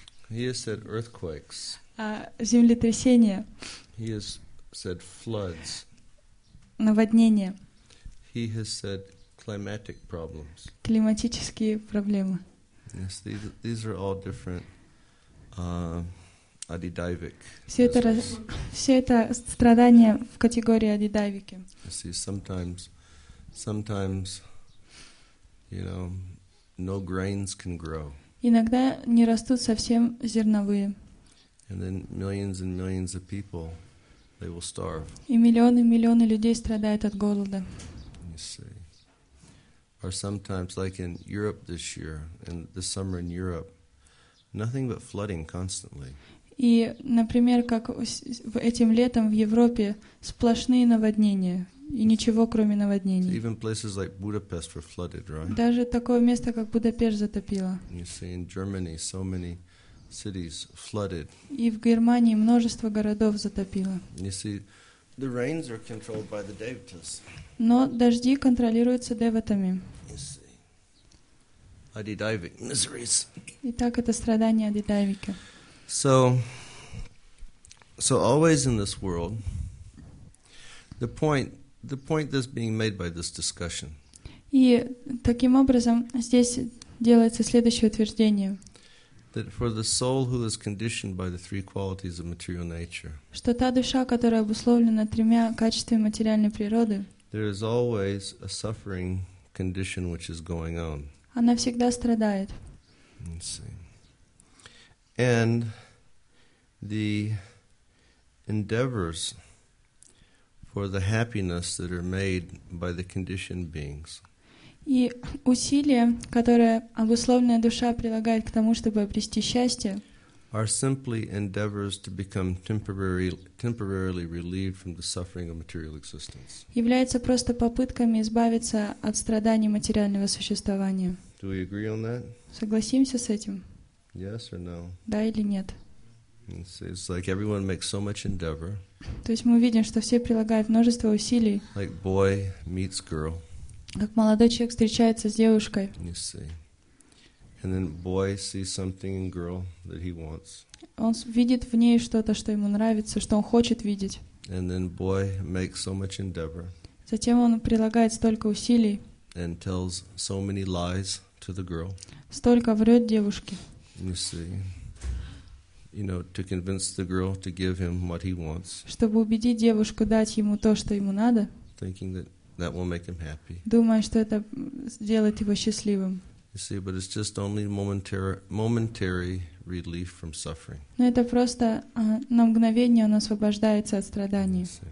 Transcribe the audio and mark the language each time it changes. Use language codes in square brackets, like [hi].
[en] He has said earthquakes. [ru] Землетрясения. [en] He has said floods. [ru] Наводнения. [en] He has said climatic problems. [ru] Климатические проблемы. [en] Yes, these are all different adidaivik. [ru] Все это страдания в категории адидайвики. [en] See, sometimes, you know, no grains can grow. [ru] Иногда не растут совсем зерновые. [en] And then millions and millions of people, they will starve. [ru] И миллионы и миллионы людей страдают от голода. [en] You see. Or sometimes, like in Europe this year, in the summer in Europe, nothing but flooding constantly. [ru] И, например, как этим летом в Европе сплошные наводнения. И ничего, кроме наводнений. [en] Even places like Budapest were flooded, right? [ru] Даже такое место, как Будапешт, затопило. [en] You see, in Germany, so many cities flooded. [ru] И в Германии множество городов затопило. [en] You see, the rains are controlled by the devatas. [ru] Но дожди контролируются деватами. [en] You see. Adidaivik miseries. [ru] Итак, это страдания Адидаевика. [en] So always in this world, the point that's being made by this discussion. [ru] И таким образом здесь делается следующее утверждение. [en] That for the soul who is conditioned by the three qualities of material nature. [ru] Что та душа, которая обусловлена тремя качествами материальной природы. [en] There is always a suffering condition which is going on. [ru] Она всегда страдает. [en] Let's see. And the endeavors for the happiness that are made by the conditioned beings. [ru] И усилия, которые обусловленная душа прилагает к тому, чтобы обрести счастье, [en] are simply endeavors to become temporarily relieved from the suffering of material existence. [ru] Являются просто попытками избавиться от страданий материального существования. [en] Do we agree on that? [ru] Согласимся с этим? [en] Yes or no? [ru] Да или нет? [en] It's like everyone makes so much endeavor. [ru] То есть мы видим, что все прилагают множество усилий. [en] Like boy meets girl. [ru] Как молодой человек встречается с девушкой. [en] You see. And then boy sees something in girl that he wants. [ru] Он видит в ней что-то, что ему нравится, что он хочет видеть. [en] And then boy makes so much endeavor. [ru] Затем он прилагает столько усилий. [en] And tells so many lies to the girl. [ru] Столько врет девушке. [en] You see. You know, to convince the girl to give him what he wants. [ru] Чтобы убедить девушку дать ему то, что ему надо. [en] Thinking that that will make him happy. [ru] Думая, что это сделает его счастливым. [en] You see, but it's just only momentary relief from suffering. [ru] Но это просто на мгновение он освобождается от страданий.